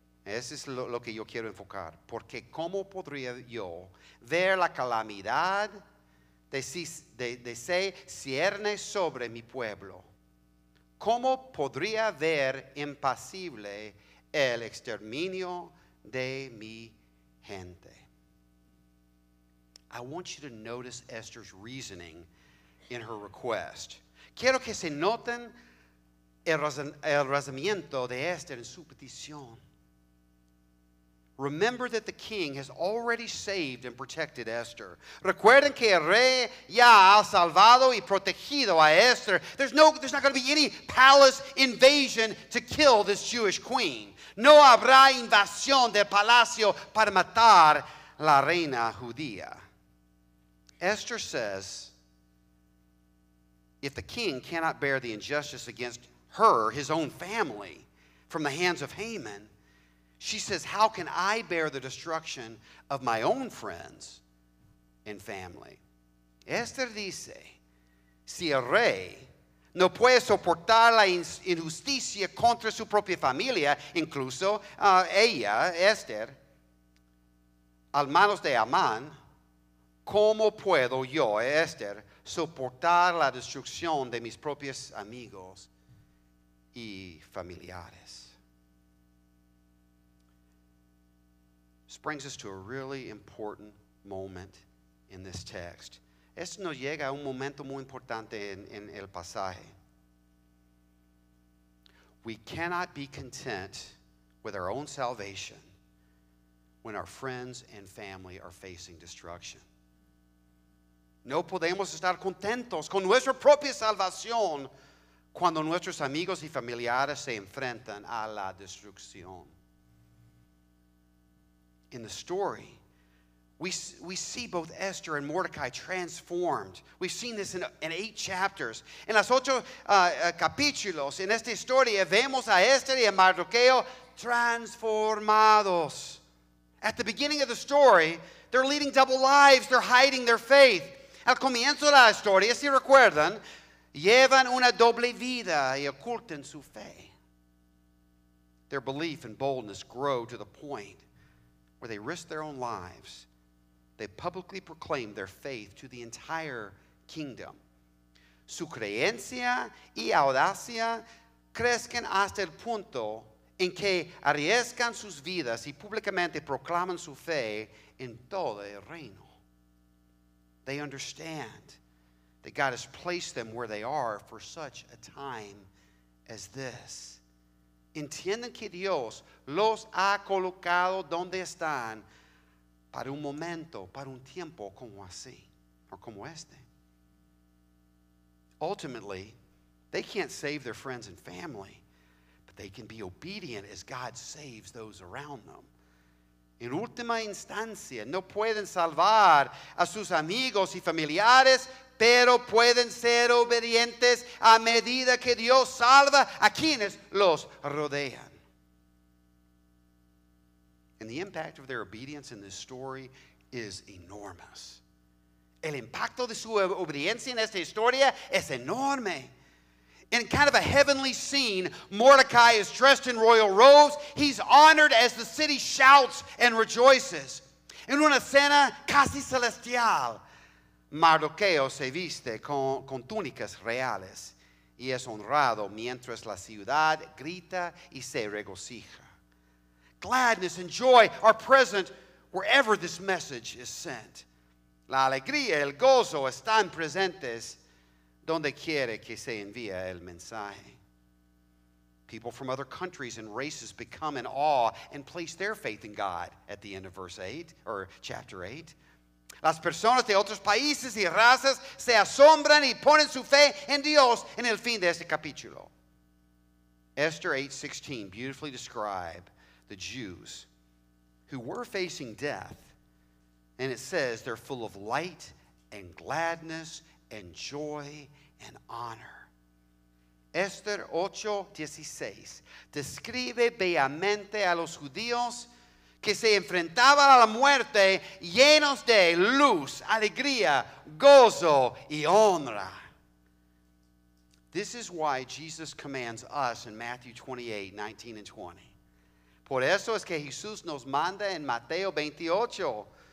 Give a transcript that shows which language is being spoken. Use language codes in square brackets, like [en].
[es] Eso es lo que yo quiero enfocar. Porque ¿cómo podría yo ver la calamidad de se cierne sobre mi pueblo? ¿Cómo podría ver impasible el exterminio de mi gente? [en] I want you to notice Esther's reasoning in her request. [es] Quiero que se noten el razonamiento de Esther en su petición. [en] Remember that the king has already saved and protected Esther. [es] Recuerden que el rey ya ha salvado y protegido a Esther. [en] There's not going to be any palace invasion to kill this Jewish queen. [es] No habrá invasión del palacio para matar la reina judía. [en] Esther says, if the king cannot bear the injustice against her, his own family, from the hands of Haman, she says, how can I bear the destruction of my own friends and family? [es] Esther dice, si el rey no puede soportar la injusticia contra su propia familia, incluso ella, Esther, al manos de Amán, ¿cómo puedo yo, Esther, soportar la destrucción de mis propios amigos y familiares? [en] This brings us to a really important moment in this text. [es] Esto nos llega a un momento muy importante en el pasaje. [en] We cannot be content with our own salvation when our friends and family are facing destruction. [es] No podemos estar contentos con nuestra propia salvación cuando nuestros amigos y familiares se enfrentan a la destrucción. [en] In the story, we see both Esther and Mordecai transformed. We've seen this in 8 chapters. [es] En los 8 capítulos, en esta historia, vemos a Esther y a Mardoqueo transformados. [en] At the beginning of the story, they're leading double lives. They're hiding their faith. [es] Al comienzo de la historia, si recuerdan, llevan una doble vida y ocultan su fe. [en] Their belief and boldness grow to the point where they risk their own lives. They publicly proclaim their faith to the entire kingdom. [es] Su creencia y audacia crecen hasta el punto en que arriesgan sus vidas y públicamente proclaman su fe en todo el reino. [en] They understand that God has placed them where they are for such a time as this. [es] Entienden que Dios los ha colocado donde están para un momento, para un tiempo como así, [en] or [es] como este. [en] Ultimately, they can't save their friends and family, but they can be obedient as God saves those around them. [es] En última instancia, no pueden salvar a sus amigos y familiares, pero pueden ser obedientes a medida que Dios salva a quienes los rodean. [en] And the impact of their obedience in this story is enormous. [es] El impacto de su obediencia en esta historia es enorme. [en] In kind of a heavenly scene, Mordecai is dressed in royal robes. He's honored as the city shouts and rejoices. [es] En una escena casi celestial, Mardoqueo se viste con túnicas reales y es honrado mientras la ciudad grita y se regocija. [en] Gladness and joy are present wherever this message is sent. [es] La alegría y el gozo están presentes donde quiere que se envíe el mensaje. [en] People from other countries and races become in awe and place their faith in God at the end of verse 8, or chapter 8. [es] Las personas de otros países y razas se asombran y ponen su fe en Dios en el fin de este capítulo. [en] Esther 8:16 beautifully describe the Jews who were facing death, and it says they're full of light and gladness and joy and honor. [es] Esther 8:16 describe bellamente a los judíos que se enfrentaban a la muerte llenos de luz, alegría, gozo y honra. [en] This is why Jesus commands us in Matthew 28:19-20. [es] Por eso es que Jesús nos manda en Mateo 28:19-20.